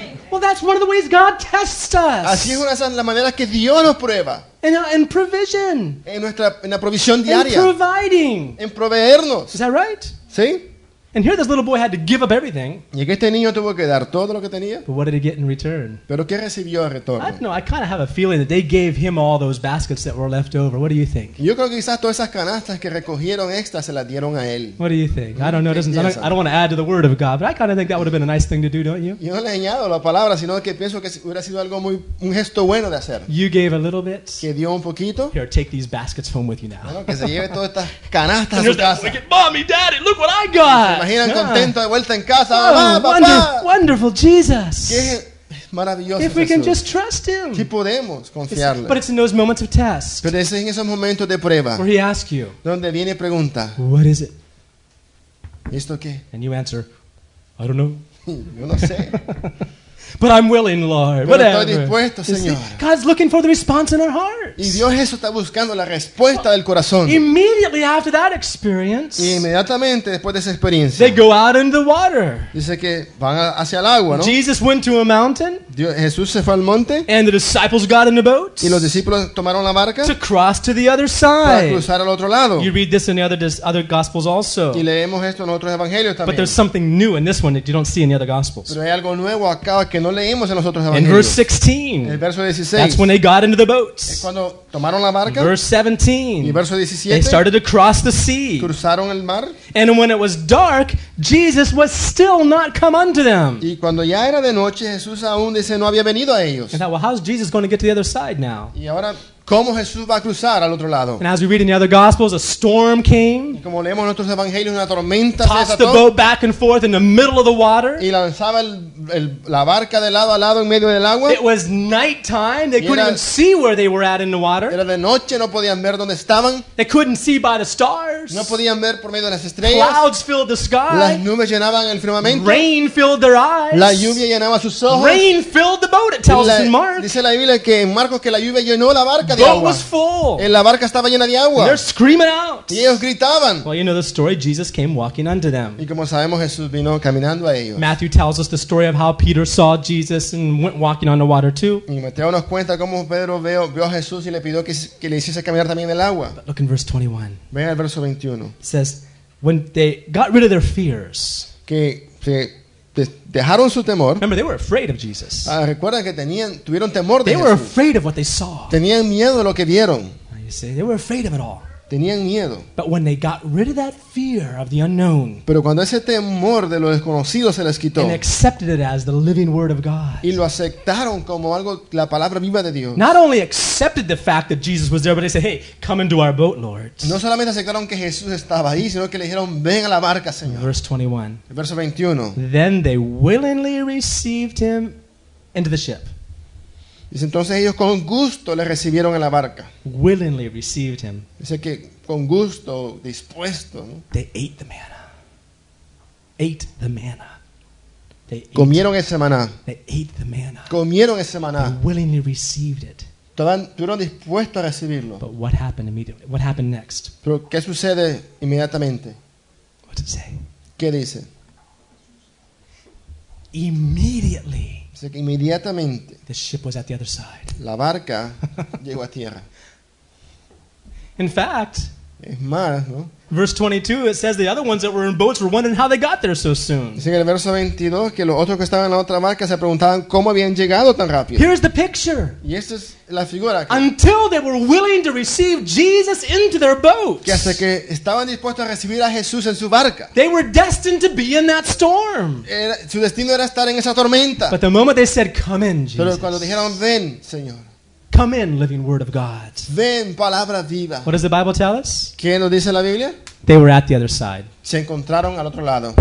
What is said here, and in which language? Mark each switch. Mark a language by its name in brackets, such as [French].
[English] Well, that's one of the ways God tests us. [Spanish] Así es una de las maneras que Dios nos prueba. [English] In provision. [Spanish] En la provisión diaria. [English] In providing. [Spanish] En proveernos. [English] Is that right? [Spanish] Sí. [English] And here this little boy had to give up everything. [Spanish] Y que este niño tuvo que dar todo lo que tenía. [English] But what did he get in return? [Spanish] ¿Pero qué recibió en retorno? [English] I don't know, I kind of have a feeling that they gave him all those baskets that were left over. What do you think? [Spanish] Yo creo que quizás todas esas canastas que recogieron extras se las dieron a él. [English] What do you think? I don't know, I don't want to add to the word of God, but I kind of think that would have been a nice thing to do, don't you? [Spanish] Yo no le añado la palabra, sino que pienso que hubiera sido algo muy un gesto bueno de hacer. [English] You gave a little bit. [Spanish] Que dio un poquito. [English] Here, take these baskets home with you now. [Spanish] Bueno, que se lleve todas estas canastas a su casa. [English] Wicked, Mommy, Daddy, look what I got. [Spanish] Imagina contento de vuelta en casa. Oh, papá. [English] Wonderful Jesus. [Spanish] Qué maravilloso. [English] If we [Spanish] Jesús. [English] Can just trust him. [Spanish] Si podemos confiarle. [English] But it's in those moments of test. [Spanish] Pero es en esos momentos de prueba. [English] Where he asks you. [Spanish] Donde viene pregunta. [English] What is it? [Spanish] ¿Esto qué? [English] And you answer, I don't know. [Spanish] Yo no sé. [English] But I'm willing, Lord. [Spanish] Pero [English] whatever. [Spanish] Estoy dispuesto, Señor. [English] God's looking for the response in our hearts. [Spanish] Y Dios eso está buscando la respuesta del corazón. [English] Immediately after that experience, [Spanish] y inmediatamente después de esa experiencia, [English] they go out in the water. [Spanish] Dice que van hacia el agua, ¿no? [English] Jesus went to a mountain. [Spanish] Dios, Jesús se fue al monte. [English] And the disciples got in a boat. [Spanish] Y los discípulos tomaron la barca. [English] To cross to the other side. [Spanish] Para cruzar al otro lado. [English] You read this in the other gospels also. [Spanish] Y leemos esto en otros evangelios también. [English] But there's something new in this one that you don't see in the other gospels. [Spanish] Pero hay algo nuevo acá que no leímos en los otros evangelios. [English] In verse 16, [Spanish] el verso 16, [English] that's when they got into the boats. [Spanish] Es cuando tomaron la barca. [English] Verse 17, [Spanish] y verso 17, [English] they started to cross the sea. [Spanish] Cruzaron el mar. [English] And when it was dark, Jesus was still not come unto them. [Spanish] Y cuando ya era de noche, Jesús aún dice no había venido a ellos. [English] And now, well, how's Jesus going to get to the other side now? [Spanish] Y ahora, ¿cómo Jesús va a cruzar al otro lado? [English] And as we read in the other gospels, a storm came. [Spanish] Y como leemos en otros evangelios, una tormenta [English] tossed [Spanish] se desató, [English] the boat back and forth in the middle of the water. [Spanish] Y lanzaba la barca de lado a lado en medio del agua. [English] It was nighttime. They couldn't even see where they were at in the water. [Spanish] Era de noche, no podían ver dónde estaban. [English] They couldn't see by the stars. [Spanish] No podían ver por medio de las estrellas. [English] Clouds filled the sky. [Spanish] Las nubes llenaban el firmamento. [English] Rain filled their eyes. [Spanish] La lluvia llenaba sus ojos. [English] Rain filled the boat, it tells us in Mark. [Spanish] Dice la Biblia que en Marcos que la lluvia llenó la barca. [English] The boat was full. [Spanish] La barca estaba llena de agua. [English] And they're screaming out. [Spanish] Y ellos gritaban. [English] Well, you know the story. Jesus came walking unto them. [Spanish] Y como sabemos, Jesús vino caminando a ellos. [English] Matthew tells us the story of how Peter saw Jesus and went walking on the water too. [Spanish] Y Mateo nos cuenta cómo Pedro vio a Jesús y le pidió que le hiciese caminar también en el agua. [English] But look in verse 21. [Spanish] Vean el verso 21. [English] It says, when they got rid of their fears. [Spanish] Que se dejaron su temor. [English] Remember, they were afraid of Jesus. [Spanish] Recuerdan que tuvieron temor de Jesús. [English] were afraid of what they saw. [Spanish] Tenían miedo de lo que vieron. [English] You see, they were afraid of it all. [Spanish] Tenían miedo. [English] But when they got rid of that fear of the unknown, [Spanish] pero cuando ese temor de lo desconocido se les quitó, [English] and accepted it as the living word of God, [Spanish] y lo aceptaron como algo, la palabra viva de Dios, [English] not only accepted the fact that Jesus was there, but they said, hey, come into our boat, Lord. [Spanish] No solamente aceptaron que Jesús estaba ahí, sino que le dijeron, ven a la barca, Señor. [English] Verse 21. [Spanish] Verso 21. [English] Then they willingly received him into the ship. [Spanish] Dice, entonces ellos con gusto le recibieron en la barca. [English] Willingly received him. [Spanish] Dice que con gusto, dispuesto, ¿no? [English] They ate the manna. Ate the manna. They ate. [Spanish] Comieron ese maná. [English] They ate the manna. [Spanish] Comieron ese maná. [English] They willingly received it. [Spanish] Estuvieron dispuestos a recibirlo. [English] But what happened immediately? What happened next? [Spanish] Pero ¿qué sucede inmediatamente? [English] What does it say? [Spanish] ¿Qué dice? [English] Immediately. [Spanish] Así que inmediatamente [English] the ship was at the other side. [Spanish] La barca llegó a tierra. [English] In fact, [Spanish] es más, ¿no? [English] Verse 22, it says the other ones that were in boats were wondering how they got there so soon. [Spanish] Dice que en el verso 22 que los otros que estaban en la otra barca se preguntaban cómo habían llegado tan rápido. [English] Here's the picture. [Spanish] Y esta es la figura. Que, [English] until they were willing to receive Jesus into their boats. [Spanish] Que hasta que estaban dispuestos a recibir a Jesús en su barca. [English] They were destined to be in that storm. [Spanish] Su destino era estar en esa tormenta. [English] But the moment they said, "Come in, Jesus." [Spanish] Pero cuando dijeron, "Ven, Señor." [English] Come in, living word of God. [Spanish] Ven, palabra viva. [English] What does the Bible tell us? [Spanish] ¿Qué nos dice la Biblia? [English] They were at the other side. [Spanish] Se encontraron al otro lado.